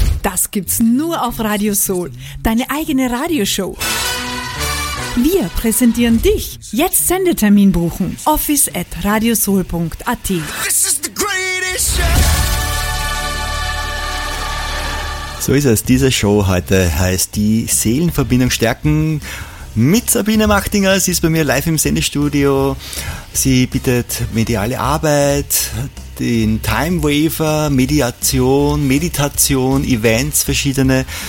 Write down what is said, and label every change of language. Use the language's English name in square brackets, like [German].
[German] Das gibt's nur auf Radio Soul. Deine eigene Radioshow. Wir präsentieren dich. Jetzt Sendetermin buchen. office@radiosoul.at. [English] This is the greatest show. [German] So ist es. Diese Show heute heißt die Seelenverbindung stärken mit Sabine Machtinger. Sie ist bei mir live im Sendestudio. Sie bietet mediale Arbeit, den Time Waver, Mediation, Meditation, Events, verschiedene.